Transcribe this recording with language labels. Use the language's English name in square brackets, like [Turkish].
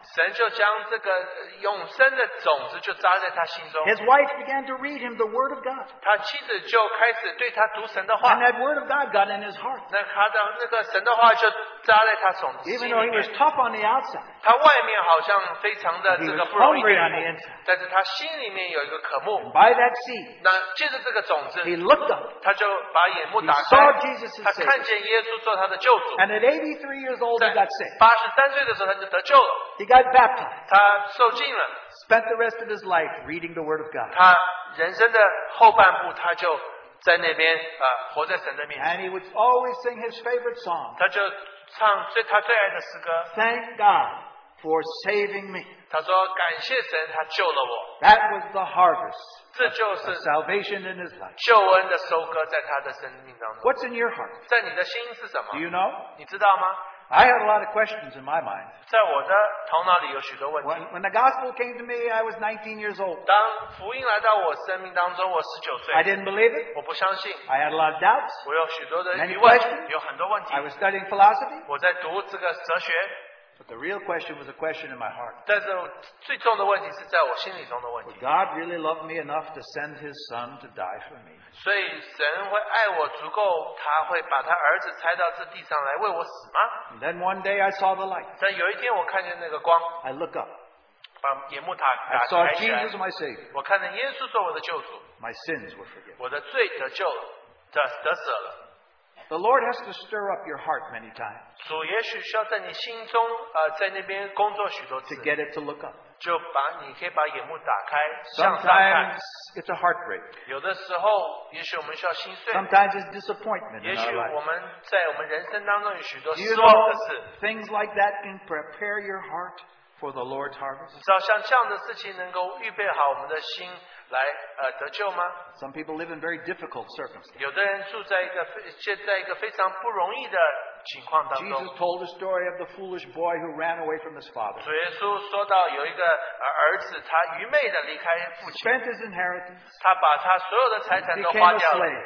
[Chinese] 神就将这个永生的种子就扎在他心中。 [English] His wife began to read him the word of God. [Chinese] 他妻子就开始对他读神的话。 [English] And that word of God got in his heart. [Chinese] 那他的那个神的话就扎在他种子里面。 [English] Even though he was tough on the outside, [Chinese] 他外面好像非常的这个不容易。 [English] He was hungry on the inside, [Chinese] 但是他心里面有一个渴慕。 [English] And by that seed, [Chinese] 那借着这个种子， [English] he looked up, [Chinese] 他就把眼目打开。 [English] He saw Jesus as [Chinese] 他看见耶稣做他的救主。 [English] And at 83 years old, he got saved. [Chinese] 83岁的时候他就得救了。 [English] He got baptized. [Chinese] 他受浸了。 [English] Spent the rest of his life reading the Word of God. [Chinese] 他人生的后半部他就在那边活在神的面前。 [English] And he would always sing his favorite song. [Chinese] 他就唱最他最爱的诗歌。 [English] Thank God for saving me. [Chinese] 他说感谢神他救了我。 [English] That was the harvest. [Chinese] 这就是 [English] salvation in his life. [Chinese] 救恩的收割在他的生命当中。 [English] What's in your heart? [Chinese] 在你的心是什么？ [English] Do you know? [Chinese] 你知道吗？ [English] I had a lot of questions in my mind. [Chinese] 在我的头脑里有许多问题。 [English] When the gospel came to me, I was 19 years old. [Chinese] 当福音来到我生命当中，我19岁。 [English] I didn't believe it. [Chinese] 我不相信。 [English] I had a lot of doubts. [Chinese] 我有许多的疑问。 [English] Many questions. [Chinese] 有很多问题。 [English] I was studying philosophy. [Chinese] 我在读这个哲学。 [English] But the real question was a question in my heart. [Chinese] 但是最重的问题是在我心里中的问题。 [English] Would God really love me enough to send His Son to die for me? [Chinese] 所以神会爱我足够，他会把他儿子拆到这地上来为我死吗？ [English] And then one day I saw the light. [Chinese] 但有一天我看见那个光。 [English] I look up. [Chinese] 把眼目打开。 [English] I saw Jesus my Savior. [Chinese] 我看见耶稣做我的救主。 [English] My sins were forgiven. [Chinese] 我的罪得救了，得舍了。 [English] The Lord has to stir up your heart many times. [Chinese] 主也许需要在你心中，在那边工作许多次。 [English] To get it to look up. [Chinese] 就把你可以把眼目打开，向上看。 [English] Sometimes it's a heartbreak. [Chinese] 有的时候，也许我们需要心碎。 [English] Sometimes it's disappointment. [Chinese] 也许我们在我们人生当中有许多失望的事。 [English] Things like that can prepare your heart for the Lord's harvest. [Chinese] 你知道像这样的事情能够预备好我们的心。来得救吗？ [English] Some people live in very difficult circumstances. [Chinese] 有的人住在一个非常不容易的情况当中。 [English] Jesus told the story of the foolish boy who ran away from his father. [Chinese] 主耶稣说到有一个儿子，他愚昧的离开父亲。 [English] Spent his inheritance. [Chinese] 他把他所有的财产都花掉了。